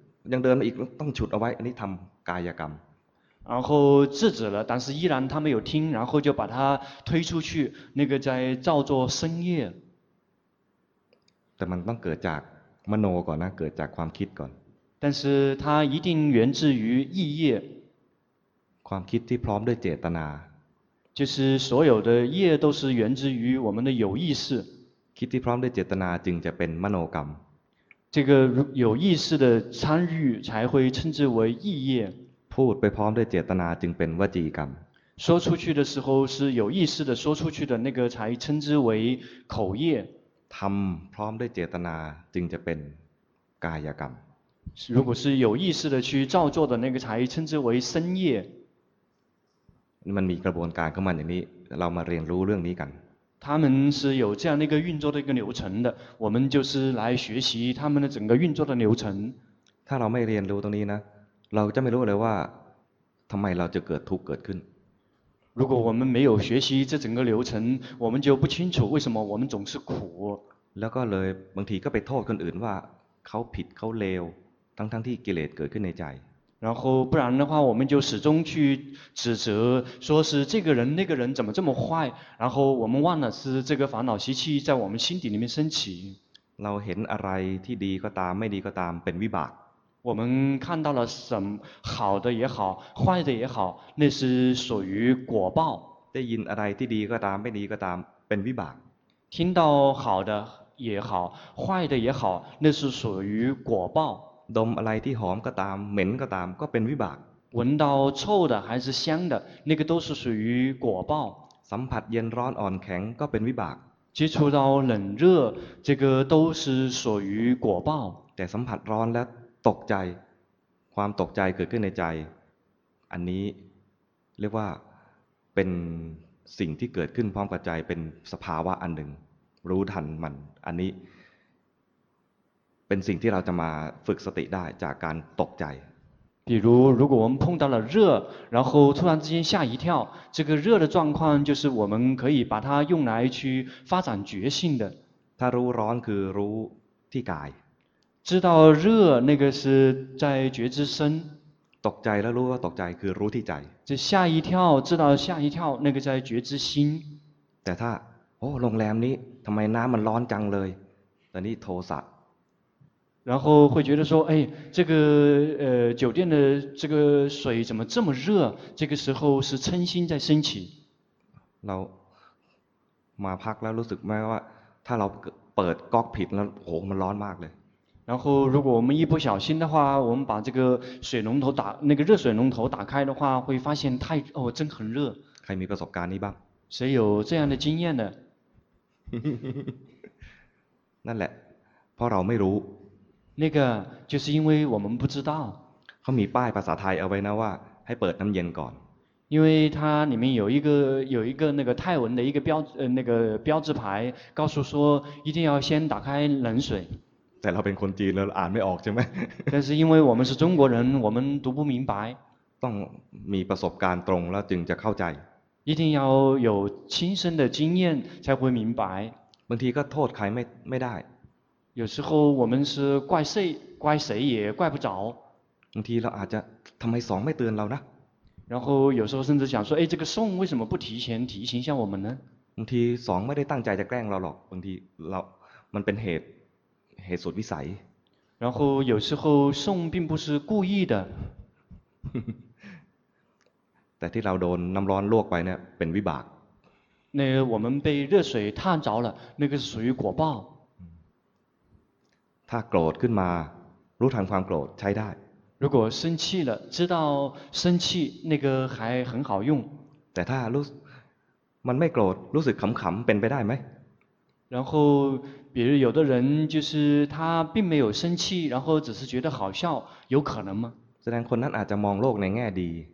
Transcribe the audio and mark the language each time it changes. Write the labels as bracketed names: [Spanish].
[Thai] ยังเดินมาอีกต้องฉุดเอาไว้อันนี้ทำกายกรรม [Chinese] 然后制止了但是依然他没有听然后就把他推出去那个在造作深业 [Thai] แต่มันต้องเกิดจากมโนก่อนนะเกิดจากความคิดก่อน [Chinese] 但是他一定源自于意业 [Thai] ความคิดที่พร้อมด้วยเจตนา [Chinese] 就是所有的业都是源自于我们的有意识 [Thai] คิดที่พร้อมด้วยเจตนาจึงจะเป็นมโนกรรม [Chinese] 这个有意识的参与才会称之为意业 [Thai] พูดไปพร้อมด้วยเจตนาจึงเป็นวจีกรรม [Chinese] 说出去的时候是有意识的说出去的那个才称之为口业 [Thai] ทำพร้อมด้วยเจตนาจึงจะเป็นกายกรรม [Chinese] 如果是有意识的去造作的那个才称之为身业 [Thai] มันมีกระบวนการเข้ามาอย่างนี้เรามาเรียนรู้เรื่องนี้กัน [Chinese] 他们是有这样的一个运作的一个流程的我们就是来学习他们的整个运作的流程 [Thai] ถ้าเราไม่เรียนรู้ตรงนี้นะเราจะไม่รู้เลยว่าทำไมเราจะเกิดทุกข์เกิดขึ้น [Chinese] 如果我们没有学习这整个流程我们就不清楚为什么我们总是苦 [Thai] แล้วก็เลยบางทีก็ไปโทษคนอื่นว่าเขาผิดเขาเลวทั้งที่กิเลสเกิดขึ้นในใจ [Chinese] 然后不然的话我们就始终去指责说是这个人那个人怎么这么坏然后我们忘了是这个烦恼习气在我们心底里面升起 [Thai] เราเห็นอะไรที่ดีก็ตามไม่ดีก็ตามเป็นวิบาก [Chinese] 我们看到了什么好的也好坏的也好那是属于果报 [Thai] ได้ยินอะไรที่ดีก็ตามไม่ดีก็ตามเป็นวิบาก [Chinese] 听到好的也好坏的也好那是属于果报 [Thai] ดมอะไรที่หอมก็ตามเหม็นก็ตามก็เป็นวิบาก [Chinese] 闻到臭的还是香的那个都是属于果报 [Thai] สัมผัสเย็นร้อนอ่อนแข็งก็เป็นวิบาก [Chinese] 接触到冷热这个都是属于果报 [Thai] แต่สัมผัสร้อนแล้วตกใจความตกใจเกิดขึ้นในใจอันนี้เรียกว่าเป็นสิ่งที่เกิดขึ้นพร้อมกับใจเป็นสภาวะอันหนึ่งรู้ทันมันอันนี้เป็นสิ่งที่เราจะมาฝึกสติได้จากการตกใจ [Chinese] 比如如果我们碰到了热然后突然之间吓一跳这个热的状况就是我们可以把它用来去发展觉性的 [Thai] ถ้ารู้ร้อนคือรู้ที่กาย [Chinese] 知道热那个是在觉知身 [Thai] ตกใจแล้วรู้ว่าตกใจคือรู้ที่ใจ [Chinese] 就吓一跳知道吓一跳那个在觉知心 [Thai] แต่ถ้าโอ้โรงแรมนี้ทำไมน้ำมันร้อนจังเลยตอนนี้โทสะ [Chinese] 然后会觉得说哎这个酒店的这个水怎么这么热这个时候是嗔心在升起 [Thai] เรามาพักแล้วรู้สึกไหมว่าถ้าเราเปิดก๊อกผิดแล้วโหมันร้อนมากเลย [Chinese] 然后如果我们一不小心的话我们把这个水龙头打那个热水龙头打开的话会发现太哦真很热 [Thai] ใครมีประสบการณ์นี้บ้าง [Chinese] 谁有这样的经验的 [Thai] นั่นแหละเพราะเราไม่รู้ [Chinese] 那个就是因为我们不知道 [Thai] เขามีป้ายภาษาไทยเอาไว้นะว่าให้เปิดน้ำเย็นก่อน [Chinese] 因为它里面有一个那个泰文的一个标那个标志牌告诉说一定要先打开冷水 [Thai] แต่เราเป็นคนจีนแล้วอ่านไม่ออกใช่ไหม [Chinese] 但是因为我们是中国人我们读不明白 [Thai] ต้องมีประสบการณ์ตรงแล้วจึงจะเข้าใจ [Chinese] 一定要有亲身的经验才会明白 [Thai] บางทีก็โทษใครไม่ได้ [Chinese] 有时候我们是怪谁也怪不着 [Thai] บางทีเราอาจจะทำไมสองไม่เตือนเรานะ [Chinese] 然后有时候甚至想说哎这个送为什么不提前一下我们呢 [Thai] บางทีสองไม่ได้ตั้งใจจะแกล้งเราหรอกบางทีเรามันเป็นเหตุสุดวิสัย [Chinese] 然后有时候送并不是故意的 [Thai] แต่ที่เราโดนน้ำร้อนลวกไปเนี่ยเป็นวิบาก [Chinese] 那我们被热水烫着了那个是属于果报 [Thai] ถ้าโกรธขึ้นมารู้ทันความโกรธใช้ได้ [Chinese] 如果生气了知道生气那个还很好用 [Thai] แต่ถ้ารู้มันไม่โกรธรู้สึกขำๆเป็นไปได้ไหม [Chinese] 然后比如有的人就是他并没有生气然后只是觉得好笑有可能吗 [Thai] แสดงคนนั้นอาจจะมองโลกในแง่ดี